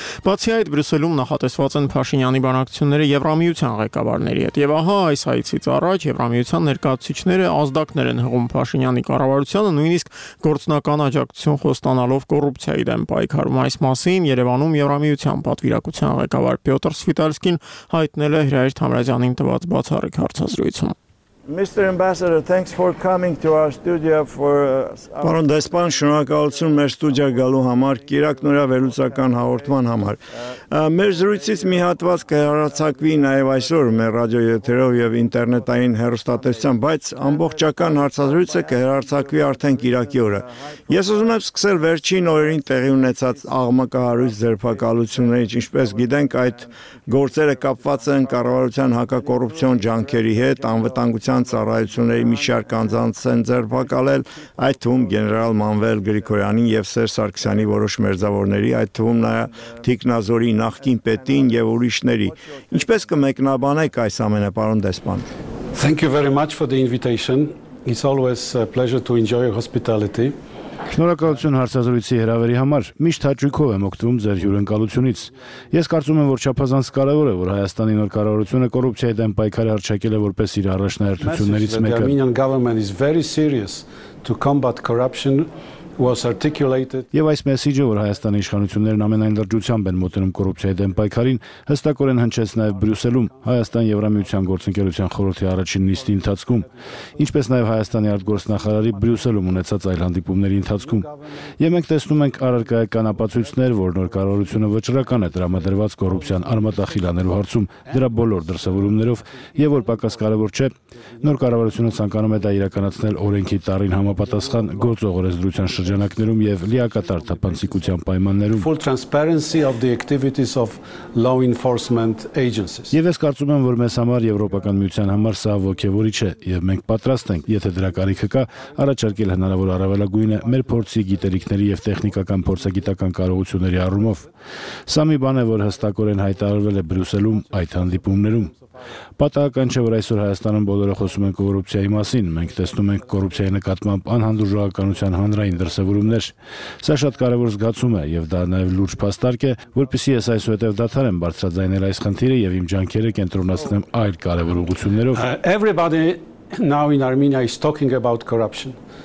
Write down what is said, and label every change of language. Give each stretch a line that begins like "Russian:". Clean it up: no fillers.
Armenian: Բացի այդ, Բրյուսելում նախատեսված են Փաշինյանի բանակցությունները Եվրամիության ղեկավարների հետ, և ահա այս հայցից առաջ Եվրամիության ներկայացուցիչները ազդակներ են հղում Փաշինյանի կառավարությանը, նույնիսկ գործնական աջակցություն խոստանալով կոռուպցիայի դեմ պայքարում։ Այս մասին Երևանում Եվրամիության պատվիրակության ղեկավար Պյոտր Սվիտալսկին հայտնել է հրայր Թամրազյանին տված բացառիկ հարցազրույցում։
English: Mr. Ambassador, thanks for coming to our studio for
Armenian: Պարոն դեսպան, շնորհակալություն մեր ստուդիա գալու համար, կիրակ նորա վերլուծական հաղորդման համար։ Մեր զրույցից մի հատված կհեռարձակվի նաև այսօր մեր ռադիոյեթերով եւ ինտերնետային հեռուստատեսությամբ, բայց ամբողջական հարցազրույցը կհեռարձակվի արդեն կիրակի օրը։ Ես ուզում եմ սկսել վերջին օրերին տեղի ունեցած աղմկահարույց ձերբակալություններից, ինչպես գիտենք, այդ գործերը կապված են կառավարության հակակոռուպցիոն ջանքերի հետ, անվտանգ ծառայությունների միջարկ անձանց են ձերբակալել, այդ թվում գեներալ Մանվել Գրիգորյանին և Սերժ Սարգսյանի որոշ մերձավորների, այդ թվում նաև Թիկնազորի նախկին պետին և ուրիշների։ Ինչպես կմեկնաբանեք այս ամենը, պարոն դեսպան։
English: Thank you very much for the invitation. It's always a pleasure to enjoy your hospitality.
Armenian: Շնորհակալություն հարցազրույցի հրավերի համար։ Միշտ հաճույքով եմ օգտվում ձեր հյուրընկալությունից։ Ես կարծում եմ, որ չափազանց կարևոր է, որ Հայաստանի նոր կառավարությունը կոռուպցիայի դեմ պայքարը հարչակել է որպես իր առաջնահերթություններից մեկը։ Եվ այս մեսիջը, որ Հայաստանի իշխանություններն ամենայն լրջությամբ են մոտենում կոռուպցիայի դեմ պայքարին, հստակորեն հնչեց նաև Բրյուսելում, Հայաստան-Եվրամիության գործընկերության խորհրդի առաջին նիստի ընթացքում, ինչպես նաև Հայաստանի արտգործնախարարի Բրյուսելում ունեցած այլ հանդիպումների ընթացքում։ Եվ մենք տեսնում ենք առարկայական ապացույցներ, որ նոր կառավարությունը վճռական է տրամադրված կոռուպցիան արմատախիլ անելու հարցում դրա բոլոր դրսևորումներով, և որ պակաս կարևոր չէ, նոր կառավարությունը ցանկանում է դա իրականացնել օրենքի տարին համապատասխան գործողորեզդրության շրջանակներում և լիակատար թափանցիկության պայմաններում։
English: Full transparency of the activities of law enforcement agencies.
Armenian: Եվ ես կարծում եմ, որ մեզ համար, Եվրոպական միության համար, սա ոգևորիչ է, և մենք պատրաստ ենք, եթե դրա կարիքը կա, առաջարկել հնարավոր առավելագույնը մեր փորձի, գիտելիքների և տեխնիկական փորձագիտական կարողությունների առումով։ Սա մի բան է, որ հստակորեն հայտարարվել է Բրյուսելում այդ հանդիպումներում։ Պատահական չէ, որ այսօր Հայաստանում բոլորը խոսում են կոռուպցիայի մասին, մենք տեսնում ենք կոռուպցիայի նկատմամբ անհանդուրժողականության հանրային դրսևորումներ։ Սա շատ կարևոր զգացում է, և դա նաև լուրջ փաստարկ է, որպեսզի ես այսուհետև դադարեմ բարձրաձայնել այս խնդիրը և իմ ջանքերը կենտրոնացնեմ այլ կարևոր ուղղություններով։
English: Everybody now in Armenia is talking about corruption.